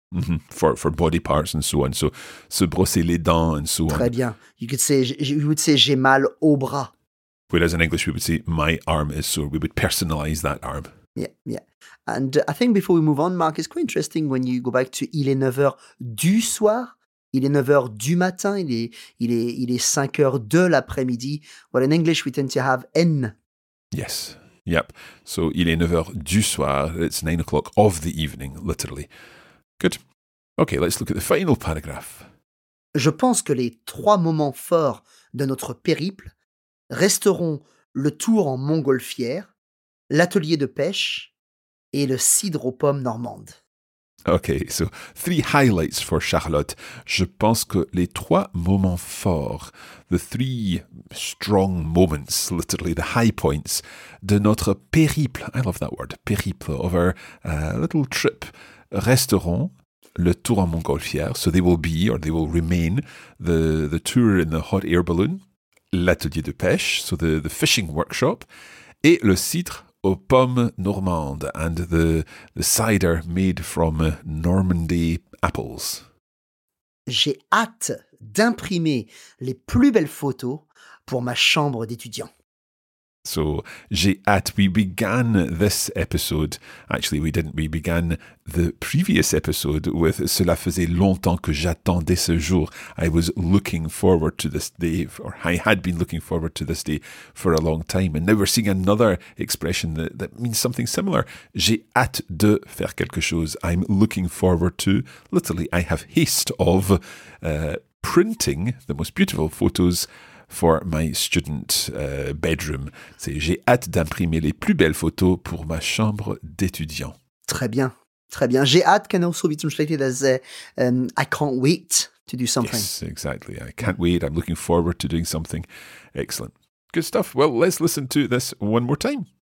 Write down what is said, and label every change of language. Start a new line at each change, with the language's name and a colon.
English: Mm-hmm. For body parts and so on. So,
French: se brosser les dents
English: and so
French: Très
English: on.
French: Très bien.
English: You would say,
French: j'ai mal au bras.
English: Whereas in English, we would say, my arm is sore. We would personalize that arm. Yeah, yeah. And I think before we move on, Mark, it's quite interesting when you go back to
French: il est 9h du soir. Il est 9h du matin, il est 5h de l'après-midi.
English: Well, in English, we tend to have N. Yes, yep. So,
French: il est 9h du soir.
English: It's 9 o'clock of the evening, literally. Good. Okay, let's look at the final paragraph.
French: Je pense que les trois moments forts de notre périple resteront le tour en montgolfière, l'atelier de pêche et le cidre aux pommes normandes.
English: Okay, so three highlights for Charlotte.
French: Je pense que les trois moments forts,
English: the three strong moments, literally the high points,
French: de notre périple,
English: I love that word, périple, of our little trip,
French: resteront le tour en montgolfière.
English: So they will be, or they will remain, the tour in the hot air balloon,
French: l'atelier de pêche,
English: so the fishing workshop,
French: et le cidre aux pommes normandes,
English: and the cider made from Normandy apples.
French: J'ai hâte d'imprimer les plus belles photos pour ma chambre d'étudiant.
English: So,
French: j'ai hâte,
English: we began this episode, actually we didn't, we began the previous episode with
French: cela faisait longtemps que j'attendais ce jour,
English: I was looking forward to this day, or I had been looking forward to this day for a long time, and now we're seeing another expression that means something similar,
French: j'ai hâte de faire quelque chose,
English: I'm looking forward to, literally I have haste of printing the most beautiful photos for my student bedroom.
French: C'est j'ai hâte d'imprimer les plus belles photos pour ma chambre d'étudiant. Très bien, très bien. J'ai hâte
English: can also be translated as I can't wait to do something. Yes, exactly. I can't wait. I'm looking forward to doing something. Excellent. Good stuff. Well, let's listen to this one more time.